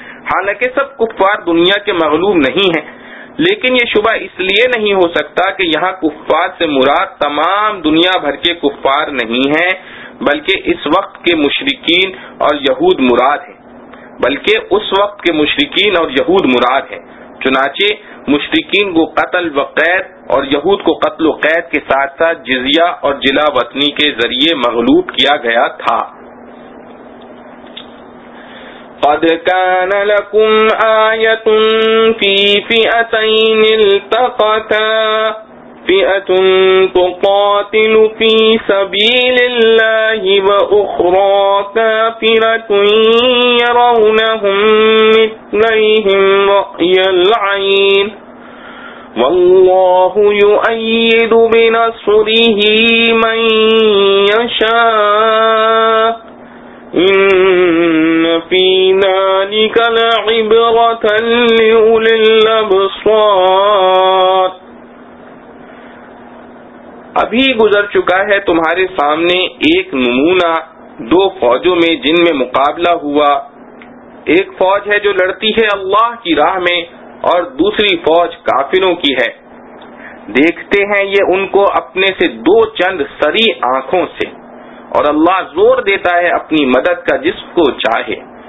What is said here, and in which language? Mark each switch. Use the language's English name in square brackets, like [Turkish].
[Urdu] حالانکہ سب کفار دنیا کے مغلوب نہیں ہیں, لیکن یہ شبہ اس لیے نہیں ہو سکتا کہ یہاں کفار سے مراد تمام دنیا بھر کے کفار نہیں ہیں, بلکہ اس وقت کے مشرکین اور یہود مراد ہیں چنانچہ مشرکین کو قتل و قید اور یہود کو قتل و قید کے ساتھ ساتھ جزیہ اور جلا وطنی کے ذریعے مغلوب کیا گیا تھا. [Arabic] قد كان لكم آية في فئتين التقتا فئة تقاتل في سبيل الله وأخرى كافرة يرونهم مثليهم رأي العين والله يؤيد بنصره من يشاء إن في ذلك لعبرة لأولي الأبصار. [Urdu] ابھی گزر چکا ہے تمہارے سامنے ایک نمونہ دو فوجوں میں جن میں مقابلہ ہوا. ایک فوج ہے جو لڑتی ہے اللہ کی راہ میں, اور دوسری فوج کافروں کی ہے. دیکھتے ہیں یہ ان کو اپنے سے دو چند سری آنکھوں سے, اور اللہ زور دیتا ہے اپنی مدد کا جس کو چاہے.